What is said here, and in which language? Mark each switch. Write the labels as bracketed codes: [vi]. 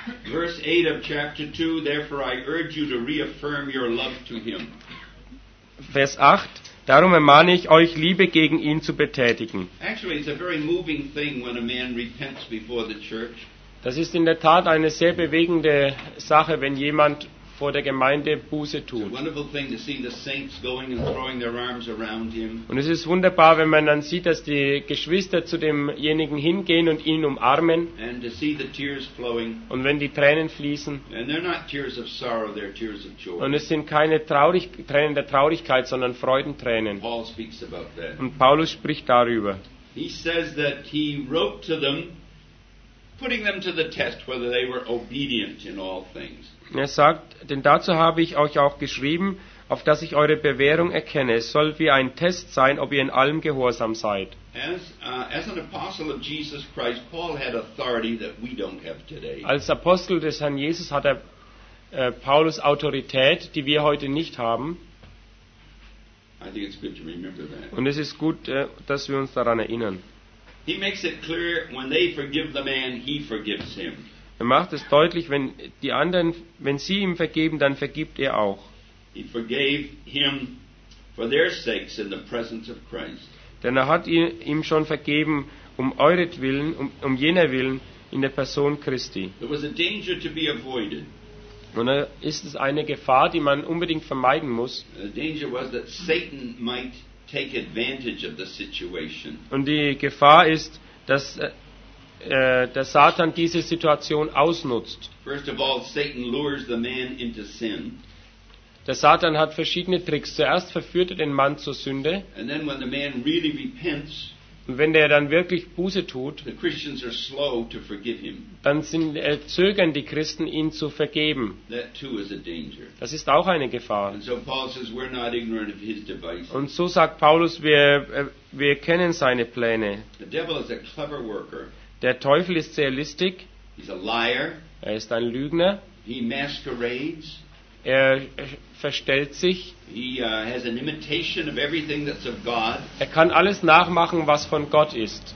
[en] Verse 8 of chapter 2, therefore I urge you to reaffirm your love to him. [de] Vers 8, darum ermahne ich euch, Liebe gegen ihn zu betätigen. [en] Actually, it's a very moving thing when a man repents before the church. [de] Das ist in der Tat eine sehr bewegende Sache, wenn jemand vor der Gemeinde Buße tut. Und es ist wunderbar, wenn man dann sieht, dass die Geschwister zu demjenigen hingehen und ihn umarmen. [en] And to see the tears flowing. [de] Und wenn die Tränen fließen. [en] And they're not tears of sorrow, they're tears of joy. [de] Und es sind keine Tränen der Traurigkeit, sondern Freudentränen. [en] Paul speaks about that. [de] Und Paulus spricht darüber. Er sagt, dass er ihnen schrieb, [en] putting them to the test whether they were obedient in all things. [de] Er sagt, denn dazu habe ich euch auch geschrieben, auf dass ich eure Bewährung erkenne. Es soll wie ein Test sein, ob ihr in allem gehorsam seid. [en] As an apostle of Jesus Christ, Paul had authority that we don't have today. [de] Als Apostel des Herrn Jesus hatte Paulus Autorität, die wir heute nicht haben. [en] I think it's good to remember that. [de] Und es ist gut, dass wir uns daran erinnern. [en] He makes it clear when they forgive the man, he forgives him. [de] Er macht es deutlich, wenn die anderen, wenn sie ihm vergeben, dann vergibt er auch. [en] He forgave him for their sakes in the presence of Christ. [de] Denn er hat ihm schon vergeben um euretwillen, um jener Willen in der Person Christi. [en] There was a danger to be avoided. [de] Und er ist es eine Gefahr, die man unbedingt vermeiden muss. [en] The danger was that Satan might take advantage of the situation. [de] Und die Gefahr ist, dass der Satan diese Situation ausnutzt. [en] First of all, Satan lures the man into sin. [de] Der Satan hat verschiedene Tricks. Zuerst verführt er den Mann zur Sünde. [en] And then when the man really repents, [de] und wenn der dann wirklich Buße tut, [en] the Christians are slow to forgive him. [de] Dann zögern die Christen, ihn zu vergeben. [en] That too is a danger. [de] Das ist auch eine Gefahr. [en] And so Paul says, we're not ignorant of his devices. [de] Und so sagt Paulus, wir kennen seine Pläne. [en] The devil is a clever worker. [de] Der Teufel ist sehr listig. [en] He's a liar. [de] Er ist ein Lügner. [en] He masquerades. [de] Er verstellt sich. [en] He has an imitation of everything that's of God. [de] Er kann alles nachmachen, was von Gott ist.